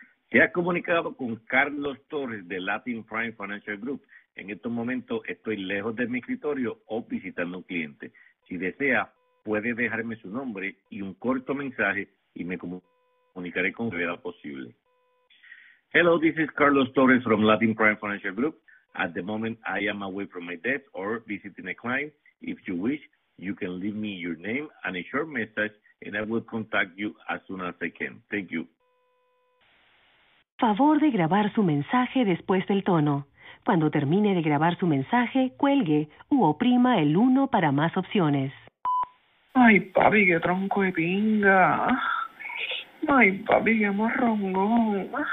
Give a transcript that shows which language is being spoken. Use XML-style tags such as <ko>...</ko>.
<es>Se ha comunicado con Carlos Torres de Latin Prime Financial Group. En estos momentos estoy lejos de mi escritorio o visitando un cliente. Si desea, puede dejarme su nombre y un corto mensaje y me comunicaré con la brevedad posible.</es> <en>Hello, this is Carlos Torres from Latin Prime Financial Group. At the moment, I am away from my desk or visiting a client. If you wish, you can leave me your name and a short message, and I will contact you as soon as I can. Thank you.</en> <es>Favor de grabar su mensaje después del tono. Cuando termine de grabar su mensaje, cuelgue u oprima el 1 para más opciones. Ay, papi, qué tronco de pinga. Ay, papi, qué morrongón.</es>